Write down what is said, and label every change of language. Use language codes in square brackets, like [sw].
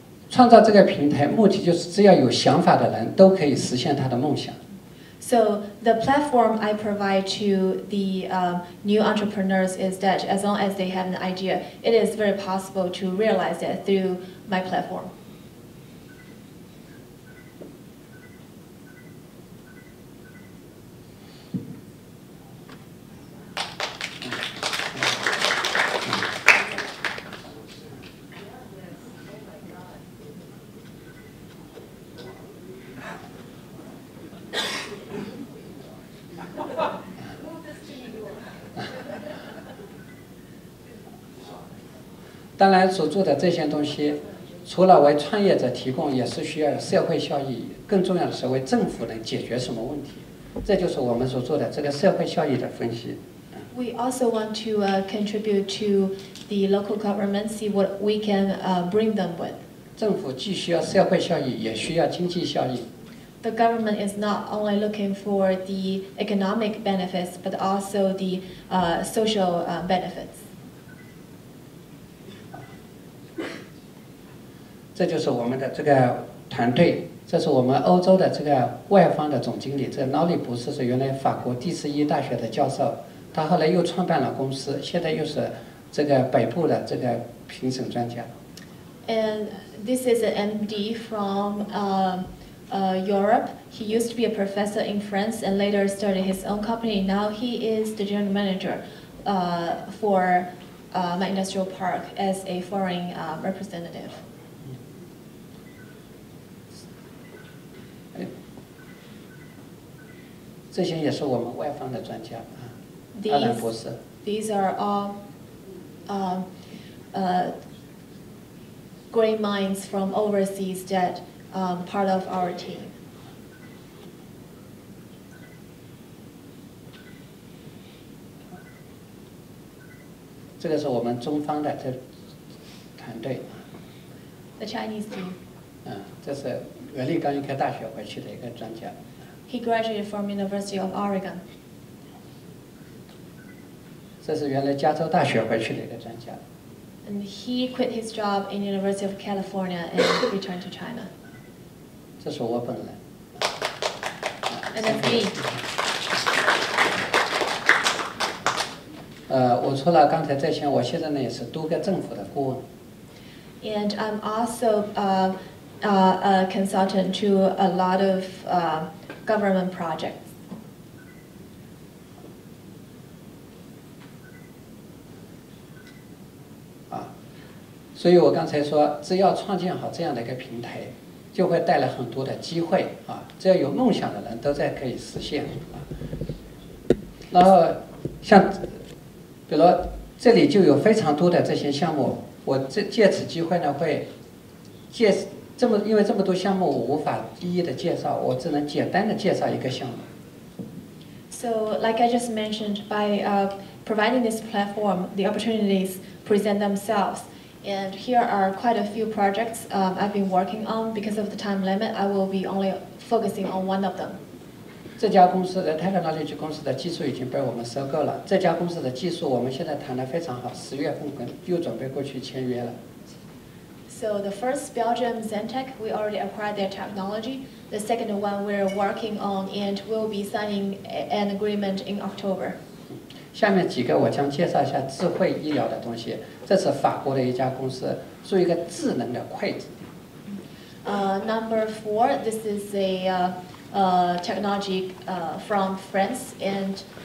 [zh] 创造这个平台目的就是只要有想法的人都可以实现他的梦想。 [en] So the platform I provide to the new entrepreneurs is that as long as they have an idea, it is very possible to realize that through my platform. [zh] 当然所做的这些东西除了为创业者提供也是需要有社会效益，更重要的是为政府能解决什么问题，这就是我们所做的这个社会效益的分析。 [en] We also want to contribute to the local government, see what we can bring them with. [zh] 政府既需要社会效益也需要经济效益。 [en] The government is not only looking for the economic benefits but also the social benefits. [zh] 这就是我们的这个团队，这是我们欧洲的这个外方的总经理，这 Nolly 博士是原来法国第十一大学的教授，他后来又创办了公司，现在又是这个北部的这个评审专家。 [en] And this is an MD from Europe. He used to be a professor in France and later started his own company. Now he is the general manager for my industrial park as a foreign representative. [zh] 这些也是我们外方的专家啊，阿兰博士。 [en] These are all, great minds from overseas that, part of our team. [zh] 这个是我们中方的这团队。 [en] The Chinese team. [zh] 嗯，这是袁立刚一开大学回去的一个专家。 [en] He graduated from University of Oregon. [zh] 这是原来加州大学回去的一个专家。 [en] And he quit his job in University of California and returned to China. [zh] 这是我本人。 [en] And that's me. [zh] 我除了刚才这些，我现在呢也是多个政府的顾问。 [en] And I'm also a consultant to a lot of government projects. [zh] 啊，所以我刚才说，只要创建好这样的一个平台，就会带来很多的机会啊！只要有梦想的人都在可以实现啊。然后，像，比如这里就有非常多的这些项目，我借此机会呢，会借。因为这么多项目，我无法一一的介绍，我只能简单的介绍一个项目。 [en] So, like I just mentioned, by providing this platform, the opportunities present themselves. And here are quite a few projects I've been working on. Because of the time limit, I will be only focusing on one of them. [zh] 这家公司的 technology 公司的技术已经被我们收购了。这家公司的技术我们现在谈得非常好，十月份又准备过去签约了。 [en] So the first Belgium Zentech, we already acquired their technology. The second one we're working on and will be signing an agreement in October. [zh] 下面几个我将介绍一下智慧医疗的东西。这是法国的一家公司，做一个智能的筷子。 [en] Number four, this is a technology from France and